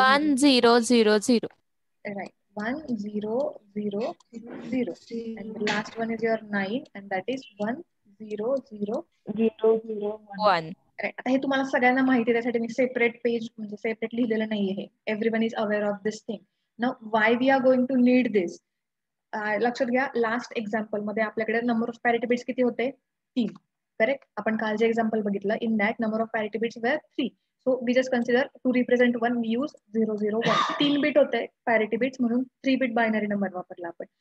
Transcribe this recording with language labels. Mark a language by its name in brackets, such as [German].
[English] 1 0 0 0 and the last one is your 9, and that is 1 0 0 0 0 1. Right. [Marathi] तुम्हाला सगळ्यांना माहिती त्यासाठी मी सेपरेट पेज म्हणजे सेपरेट लिहिलेलं नाहीये. [English] Everyone is aware of this thing. Now, why we are going to need this? [Marathi] लक्षात घ्या, लास्ट एक्झाम्पल मध्ये आपल्याकडे नंबर ऑफ पॅरिटी बिट्स किती होते? [English] 3. Correct. [Marathi] आपण काल जे एक्झाम्पल बघितलं, [English] In that number of parity bits were 3. So we just consider to represent 1, we use 001. [Marathi] 3 bit होते पॅरिटी बिट्स, म्हणून 3-bit बायनरी नंबर वापरला आपण.